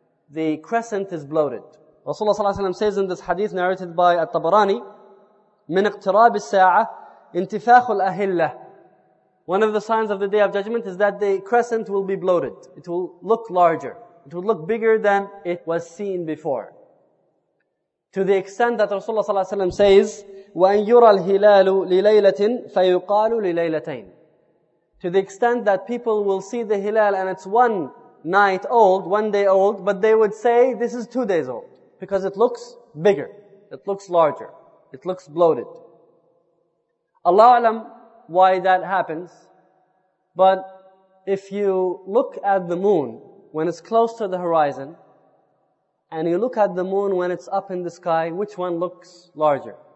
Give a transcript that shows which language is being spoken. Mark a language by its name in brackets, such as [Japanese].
[English] The crescent is bloated. Rasulullah says in this hadith narrated by At-Tabarani, [Arabic] من اقتراب الساعة انتفاخ الأهلة. [English] One of the signs of the Day of Judgment is that the crescent will be bloated. It will look larger. It will look bigger than it was seen before. To the extent that Rasulullah [Arabic] صلى الله عليه وسلم [English] says, [Arabic] وَأَنْ يُرَى الْهِلَالُ لِلَيْلَةٍ فَيُقَالُ لِلَيْلَتَيْنِ. [English] To the extent that people will see the hilal and it's one night old, one day old, but they would say this is 2 days old. Because it looks bigger. It looks larger. It looks bloated. Allah alam why that happens. But if you look at the moon when it's close to the horizon, and you look at the moon when it's up in the sky, which one looks larger?